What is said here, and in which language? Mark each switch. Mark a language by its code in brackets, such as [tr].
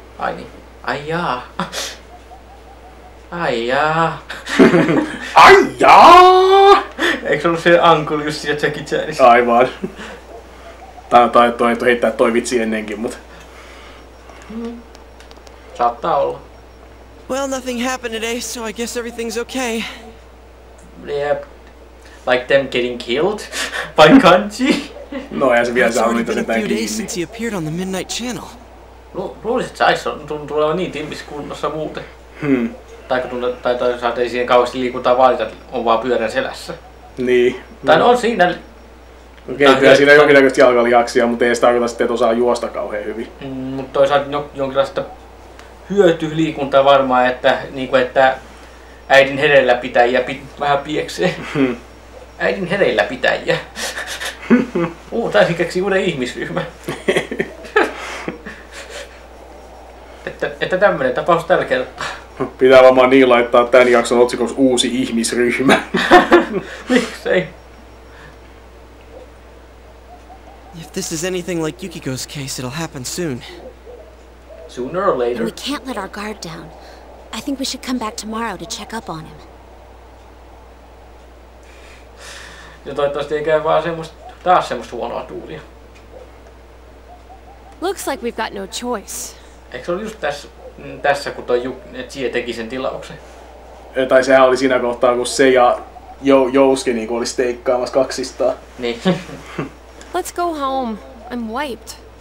[fi] Ai niin. Aijaa. Aijaa. Aijaa! Eikö se ollut se Uncle Jussi ja Jackie Chanis? Aivan. Tai heittää toi vitsi ennenkin, mut. Saattaa olla. [en] Well, nothing happened today, so I guess everything's okay. Yep. Like them getting killed by Kanji? [fi] No, ja se vielä saa niitä sentään kiinni. [en] It's been a few days appeared on the Midnight Channel. [fi] Luulisit, että Aissa tuntuu olevan niin timmissä kunnossa muuten. Tai toisaalta ei siihen kauheasti liikuntaa vaadita, on vaan pyörän selässä. Niin. Tai no on siinä... Okei, okay, siinä jonkinnäköistä jalkalihaksia, mutta ei se tarkoita sitten, että osaa juosta kauhean hyvin. Mutta toisaalta jonkinlaista hyötyliikuntaa varmaan, että, niin kuin, että äidin hereillä pitäjiä vähän pieksee. Äidin hereillä pitäjiä. taisin keksii uuden ihmisryhmä. että tämmöinen tapaus tällä kertaa. Pitää varmaan niin laittaa tämän jakson otsikoksi uusi ihmisryhmä. Miksei? [en] If this is anything like Yukiko's case, it'll happen soon. Sooner or later. We can't let our guard down. I think we should come back tomorrow to check up on him. [fi] Ja toivottavasti ei käy vaan taas semmoista huonoa tuulia. [en] Looks like we've got no choice. [fi] Eikö se ollut just tässä, kun Chie teki sen tilauksen? Tai sehän oli siinä kohtaa, kun se ja Jouski niin oli steikkaamassa kaksistaan. Niin. [en] Let's go home. I'm wiped.